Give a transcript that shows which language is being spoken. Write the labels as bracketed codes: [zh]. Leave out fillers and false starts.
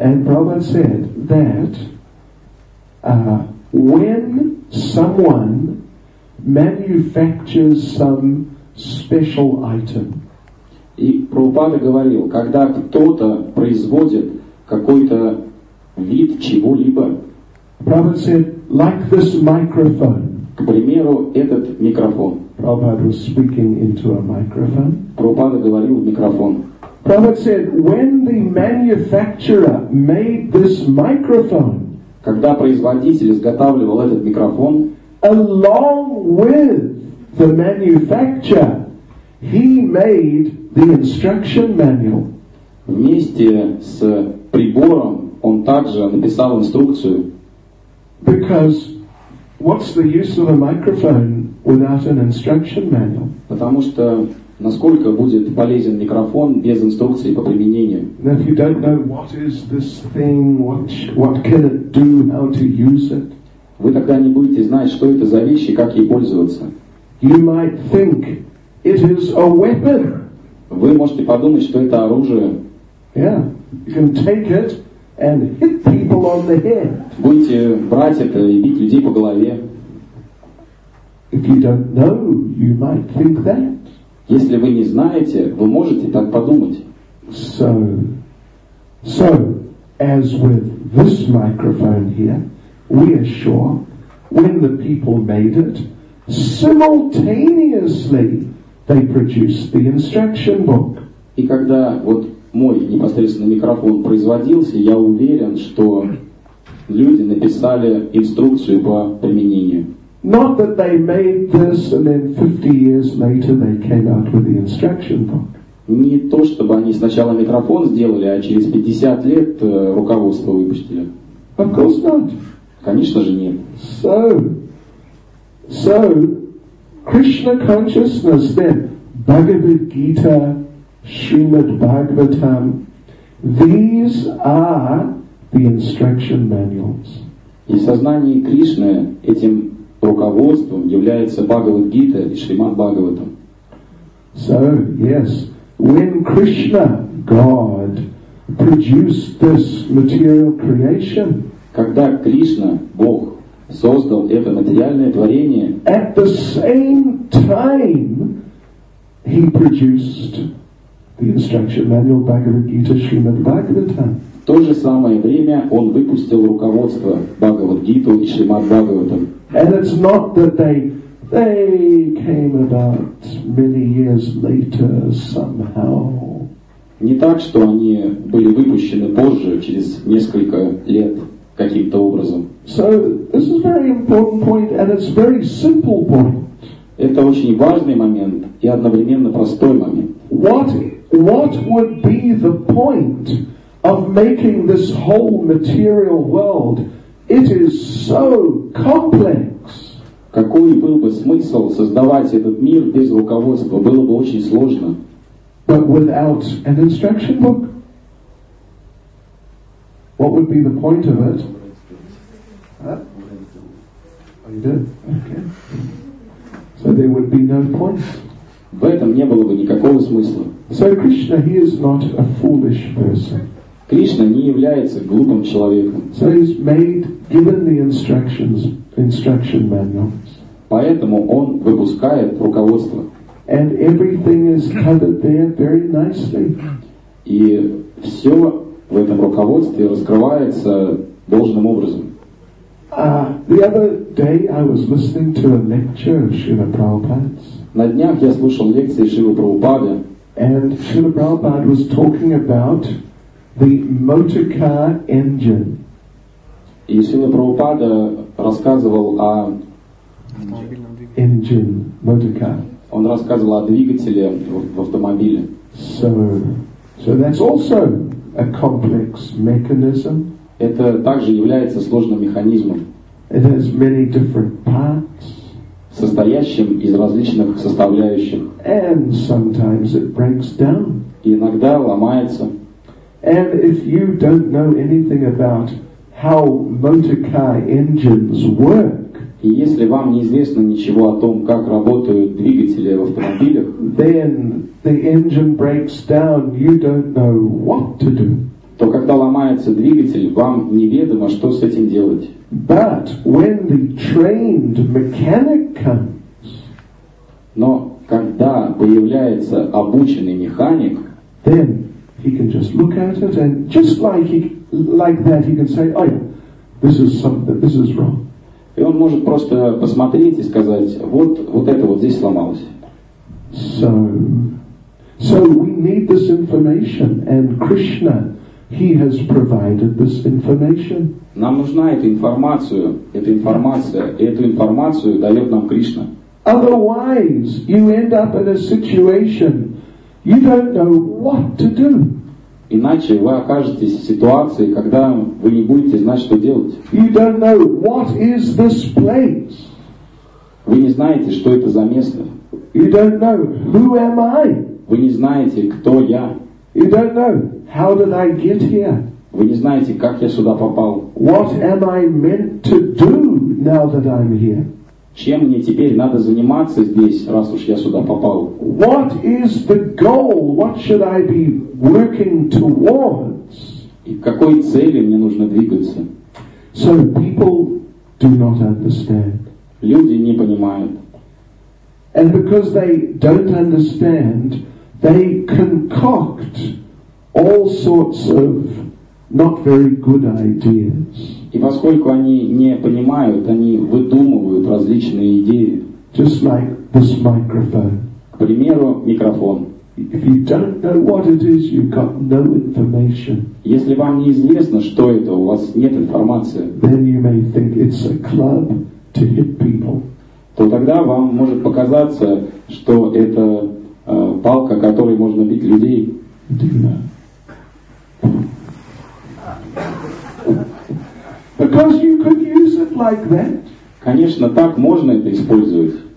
[en] And Prabhupada said that when someone manufactures some special item. [ru] И Прабхупада говорил, когда кто-то производит какой-то вид чего-либо. [en] Prabhupada said, like this microphone. [ru] К примеру, этот микрофон. [en] Prabhupada was speaking into a microphone. [ru] Prabhupada говорил в микрофон. [en] Prabhupada said, when the manufacturer made this microphone, [ru] когда производитель изготавливал этот микрофон, [en] along with the manufacturer, He made the instruction manual. [ru] Вместе с прибором он также написал инструкцию. [en] Because what's the use of a microphone without an instruction manual? [ru] Потому что насколько будет полезен микрофон без инструкции по применению? [en] Now, if you don't know what is this thing, what can it do, how to use it? [ru] Вы тогда не будете знать, что это за вещь и как ей пользоваться. [en] You might think it is a weapon. [ru] Вы можете подумать, что это оружие. [en] Yeah, you can take it and hit people on the head. [ru] Будете брать это и бить людей по голове. [en] If you don't know, you might think that. [ru] Если вы не знаете, вы можете так подумать. [en] So, as with this microphone here, we are sure when the people made it, simultaneously they produced the instruction book. [ru] И когда вот мой непосредственно микрофон производился, я уверен, что люди написали инструкцию по применению. [en] Not that they made this and then 50 years later they came out with the instruction book. [ru] Не то, чтобы они сначала микрофон сделали, а через 50 лет руководство выпустили. [en] Of course not. [ru] Конечно же нет. [en] So, Krishna consciousness then, Bhagavad Gita, Srimad Bhagavatam, these are the instruction manuals. [ru] И сознание Кришны этим руководством является Бхагавад Гита и Шримад Бхагаватам. [en] So, yes, when Krishna, God, produced this material creation, [ru] когда Кришна, Бог, создал это материальное творение, [en] at the same time he produced the instruction manual Bhagavad Gita Srimad Bhagavatam. [ru] В то же самое время он выпустил руководство Бхагавад Гиту и Шримад Бхагаватам. [en] And it's not that they came about many years later somehow. [ru] Не так, что они были выпущены позже, через несколько лет, каким-то образом. [en] So this is a very important point, and it's a very simple point. [ru] Это очень важный момент и одновременно простой момент. [en] What would be the point of making this whole material world? It is so complex. [ru] Какой был бы смысл создавать этот мир без руководства? Было бы очень сложно. [en] But without an instruction book, what would be the point of it? Huh? Oh, you did? Okay. So there would be no point. [ru] В этом не было бы никакого смысла. [en] So Krishna, he is not a foolish person. [ru] Кришна не является глупым человеком. [en] So he's made, given the instruction manuals. [ru] Поэтому он выпускает руководство. [en] And everything is covered there very nicely. [ru] И все в этом руководстве раскрывается должным образом. [en] The other day I was listening to a lecture of Srila Prabhupada's. [ru] На днях я слушал лекции Шрилы Прабхупады. [en] And Srila Prabhupada was talking about the motor car engine. [ru] И Шрила Прабхупада рассказывал о [en] engine, motor car. [ru] Он рассказывал о двигателе в автомобиле. [en] So that's also a complex mechanism. [ru] Это также является сложным механизмом. [en] It has many different parts. [ru] Состоящим из различных составляющих. [en] And sometimes it breaks down. [ru] И иногда ломается. [en] And if you don't know anything about how motor car engines work, [ru] и если вам неизвестно ничего о том, как работают двигатели в автомобилях, [en] then the engine breaks down, you don't know what to do. [ru] То когда ломается двигатель, вам неведомо, что с этим делать. [en] But when the trained mechanic comes, [ru] но когда появляется обученный механик, [en] then he can just look at it and just like that he can say, oh yeah, this is something, this is wrong. [ru] И он может просто посмотреть и сказать, вот это вот здесь сломалось. [en] So we need this information, and Krishna, he has provided this information. [ru] Нам нужна эта информация, и эту информацию дает нам Кришна. [en] Otherwise, you end up in a situation you don't know what to do. [ru] Иначе вы окажетесь в ситуации, когда вы не будете знать, что делать. [en] You don't know what is this place. [ru] Вы не знаете, что это за место. [en] You don't know who am I. [ru] Вы не знаете, кто я. [en] You don't know how did I get here. [ru] Вы не знаете, как я сюда попал. [en] What am I meant to do now that I'm here? [ru] Чем мне теперь надо заниматься здесь, раз уж я сюда попал? [en] What is the goal? What should I be working towards? [ru] И к какой цели мне нужно двигаться? [en] So people do not understand. [ru] Люди не понимают. [en] And because they don't understand, they concoct all sorts of not very good ideas. [ru] И поскольку они не понимают, они выдумывают различные идеи. [en] Just like this microphone. [ru] К примеру, микрофон. [en] If you don't know what it is, you've got no information. [ru] Если вам неизвестно, что это, у вас нет информации. [en] Then you may think it's a club to hit people. [ru] То тогда вам может показаться, что это палка, которой можно бить людей. [en] Because you could use it like that. [ru] Конечно, так можно это использовать.